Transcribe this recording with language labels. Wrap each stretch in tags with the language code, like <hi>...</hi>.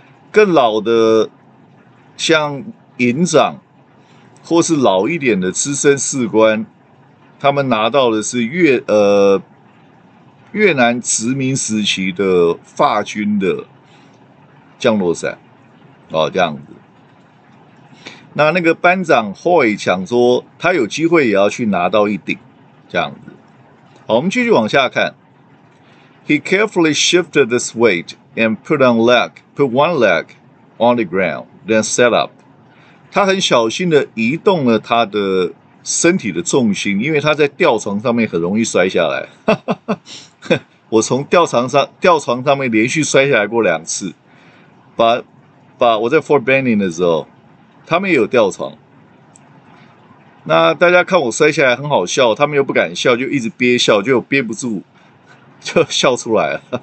<zh>更老的，像营长或是老一点的资深士官，他们拿到的是越南殖民时期的法军的降落伞，哦，这样子。那个班长 Hoy 想说他有机会也要去拿到一顶这样子。好，我们继续往下看。</zh> <en>He carefully shifted this weight and put one leg on the ground, then set up.</en> <zh>他很小心的移动了他的身体的重心，因为他在吊床上面很容易摔下来。我从吊床上面连续摔下来过两次。把我在 Fort Benning 的时候，他们也有吊床，那大家看我摔下来很好笑，他们又不敢笑，就一直憋笑，就憋不住就笑出来了。</zh>